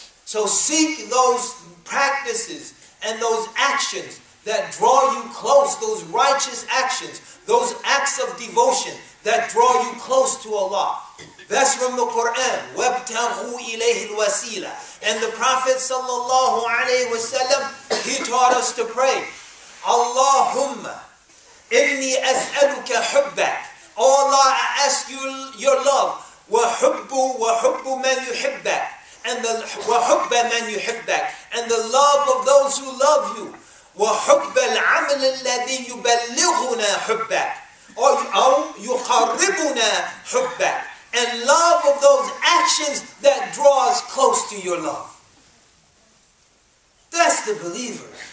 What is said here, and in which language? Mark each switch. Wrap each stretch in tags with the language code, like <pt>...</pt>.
<en>So seek those practices and those actions that draw you close, those righteous actions, those acts of devotion that draw you close to Allah. That's from the Quran.</en> <ar>وَابْتَغُوا إِلَيْهِ الْوَسِيلَةِ.</ar> <en>And the Prophet sallallahu alayhi wa sallam, he taught us to pray.</en> <ar>Allahumma إِنِّي أَسْأَلُكَ حُبَّكَ.</ar> <en>O Allah, I ask you your love.</en> <ar>وَحُبُّ مَنْ يُحِبَّكَ.</ar> <en>And the</en> <ar>وحب من يحبك,</ar> <en>and the love of those who love you,</en> <ar>وحب العمل الذي يبلغنا حبك,</ar> <en>or</en> <ar>يقربنا حبك,</ar> <en>and love of those actions that draws close to your love. That's the believer.</en>